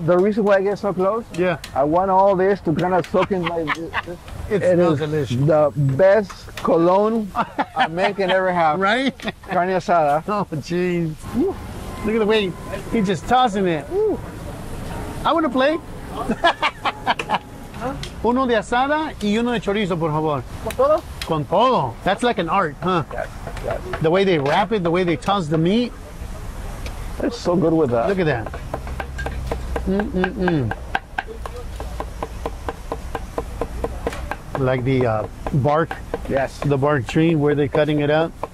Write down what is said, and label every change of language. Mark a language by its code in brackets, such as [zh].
[en] The reason why I get so close? Yeah. I want all this to kind of soak in my... It smells delicious. The best cologne a man can ever have. Right? [es] Carne asada. [en] Oh, jeez. Look at the way he's just tossing it. I want to play. Huh? [es] Uno de asada y uno de chorizo, por favor. Con todo? Con todo. [en] That's like an art, huh? Yes. The way they wrap it, the way they toss the meat. It's so good with that. Look at that. Like the bark. Yes. The bark tree where they're cutting it up.